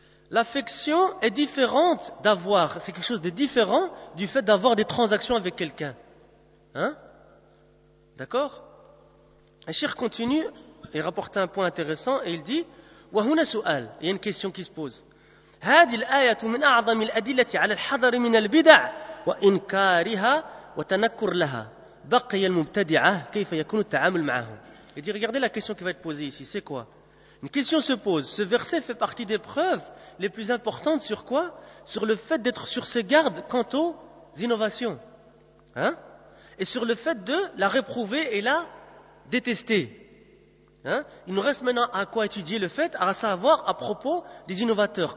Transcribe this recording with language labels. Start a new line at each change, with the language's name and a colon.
French: L'affection est différente d'avoir, c'est quelque chose de différent du fait d'avoir des transactions avec quelqu'un. D'accord? Un cheikh continue et rapporte un point intéressant et il dit
Arabic: وَهُنَا سُؤَال
French: Il y a une question qui se pose.
Arabic: هَذِي الْآيَةُ مِنْ أَعْظَمِ الْأَدِلَّةِ عَلَى الْحَذَرِ مِنَ الْبِدَعِ وَإِنْكَارِهَا وَتَنَكُّرْ لَهَا بَقِيَ الْمُبْتَدِعَةِ كَيْفَ يَكُنُ التَّعَامُلُ مَعَهُمْ
French: Il dit, regardez la question qui va être posée ici, c'est quoi? Une question se pose, ce verset fait partie des preuves les plus importantes sur quoi? Sur le fait d'être sur ses gardes quant aux innovations. Et sur le fait de la réprouver et la détester. Il nous reste maintenant à quoi étudier le fait, à savoir à propos des innovateurs.